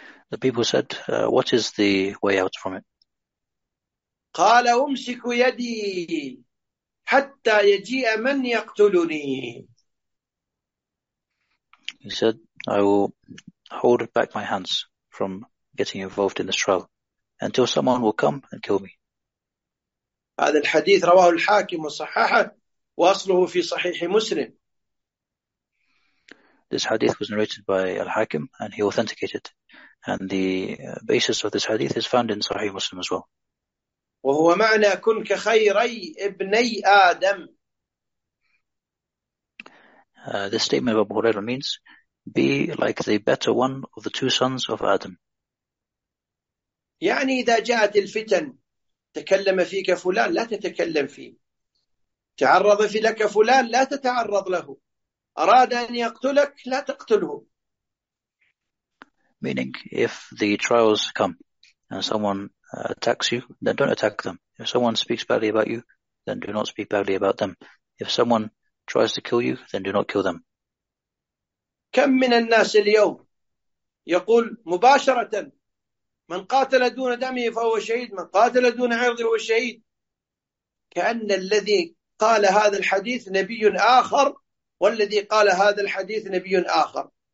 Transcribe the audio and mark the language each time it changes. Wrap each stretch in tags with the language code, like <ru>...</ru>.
<en>The people said, what is the way out from it?</en> <ar>قال أمسك يدي حتى يجيء من يقتلني.</ar> <en>He said, I will hold back my hands from getting involved in this trial until someone will come and kill me.</en> <ar>هذا الحديث رواه الحاكم وصححه وأصله في صحيح مسلم.</ar> <en>This hadith was narrated by Al-Hakim and he authenticated. And the basis of this hadith is found in Sahih Muslim as well.</en> <ar>وهو معنى كن كخيري ابني آدم.</ar> <en>This statement of Abu Huraira means, be like the better one of the two sons of Adam.</en> <ar>يعني إذا جاءت الفتن تكلم فيك فلان لا تتكلم فيه. تعرض في لك فلان لا تتعرض له. أراد أن يقتلك لا تقتله.</ar> <en>Meaning, if the trials come and someone attacks you, then don't attack them. If someone speaks badly about you, then do not speak badly about them. If someone tries to kill you, then do not kill them.</en> <ar>كم من الناس اليوم يقول مباشرة من قاتل دون دمه فهو شهيد، من قاتل دون عرضه فهو شهيد، كأن الذي قال هذا الحديث نبي آخر والذي قال هذا الحديث نبي آخر.</ar>